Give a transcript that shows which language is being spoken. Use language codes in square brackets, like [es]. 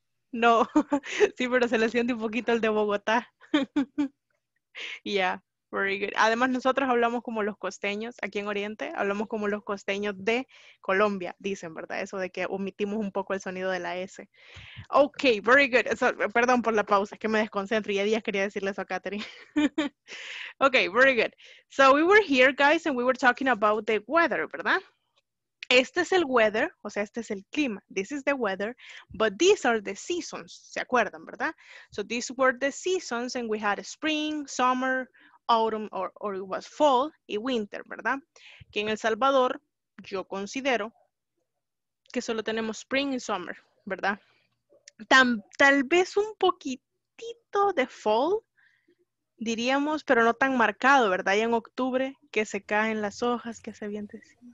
[es] No, sí, pero se le siente un poquito el de Bogotá. [en] Yeah. Very good. [es] Además, nosotros hablamos como los costeños aquí en Oriente, hablamos como los costeños de Colombia, dicen, ¿verdad? Eso de que omitimos un poco el sonido de la S. [en] Ok, very good. [es] Eso, perdón por la pausa, es que me desconcentro y ya días quería decirle eso a Katherine. [en] Ok, very good. So we were here, guys, and we were talking about the weather, ¿verdad? [es] Este es el weather, o sea, este es el clima. [en] This is the weather, but these are the seasons, [es] ¿se acuerdan, verdad? [en] So these were the seasons, and we had spring, summer, autumn, or it was fall, y winter, ¿verdad? [es] Que en El Salvador, yo considero que solo tenemos spring y summer, ¿verdad? Tal vez un poquitito de fall, diríamos, pero no tan marcado, ¿verdad? Y en octubre, que se caen las hojas, que se vientecita.